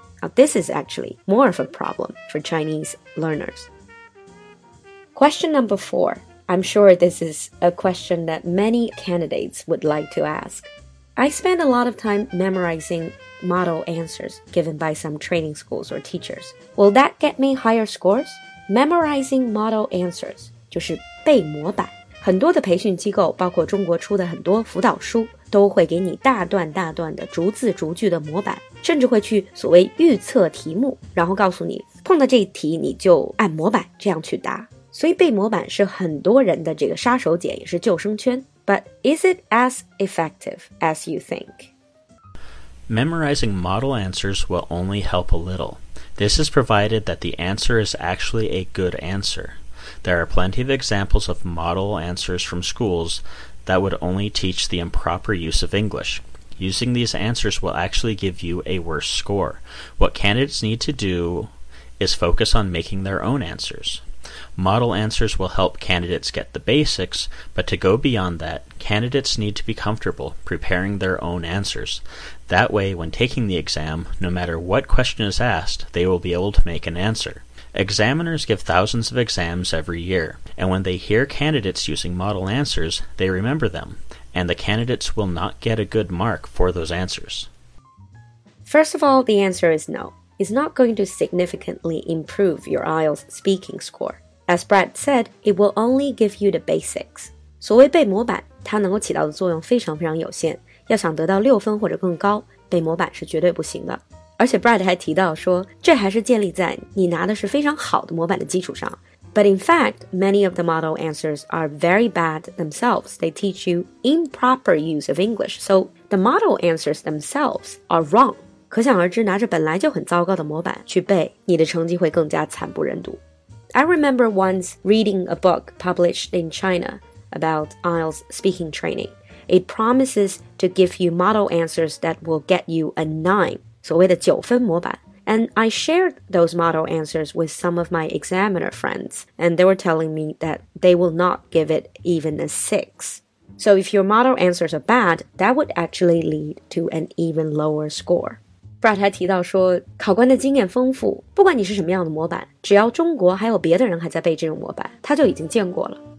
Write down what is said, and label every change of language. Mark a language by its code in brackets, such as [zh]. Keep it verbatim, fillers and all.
[en] Now, this is actually more of a problem for Chinese learners. Question number four. I'm sure this is a question that many candidates would like to ask. I spend a lot of time memorizing model answers given by some training schools or teachers. Will that get me higher scores? Memorizing model answers [zh] 就是背模板，很多的培训机构，包括中国出的很多辅导书，都会给你大段大段的逐字逐句的模板，甚至会去所谓预测题目，然后告诉你碰到这一题你就按模板这样去答。所以背模板是很多人的这个杀手锏，也是救生圈。 [en] But is it as effective as you think? Memorizing model answers will only help a little.This is provided that the answer is actually a good answer. There are plenty of examples of model answers from schools that would only teach the improper use of English. Using these answers will actually give you a worse score. What candidates need to do is focus on making their own answers. Model answers will help candidates get the basics, but to go beyond that, candidates need to be comfortable preparing their own answers. That way, when taking the exam, no matter what question is asked, they will be able to make an answer. Examiners give thousands of exams every year, and when they hear candidates using model answers, they remember them, and the candidates will not get a good mark for those answers. First of all, the answer is no. It's not going to significantly improve your I E L T S speaking score. As Brad said, it will only give you the basics. [zh] 所谓背模板，它能够起到的作用非常非常有限。要想得到六分或者更高，背模板是绝对不行的。而且 Brad 还提到说，这还是建立在你拿的是非常好的模板的基础上。 [en] But in fact, many of the model answers are very bad themselves. They teach you improper use of English. So the model answers themselves are wrong. [zh] 可想而知，拿着本来就很糟糕的模板去背，你的成绩会更加惨不忍睹。 [en] I remember once reading a book published in China about I E L T S speaking training. It promises to give you model answers that will get you a nine, [zh] 所谓的九分模板。 [en] And I shared those model answers with some of my examiner friends, and they were telling me that they will not give it even a six. So if your model answers are bad, that would actually lead to an even lower score. [zh] Brad 还提到说，考官的经验丰富，不管你是什么样的模板，只要中国还有别的人还在背这种模板，他就已经见过了。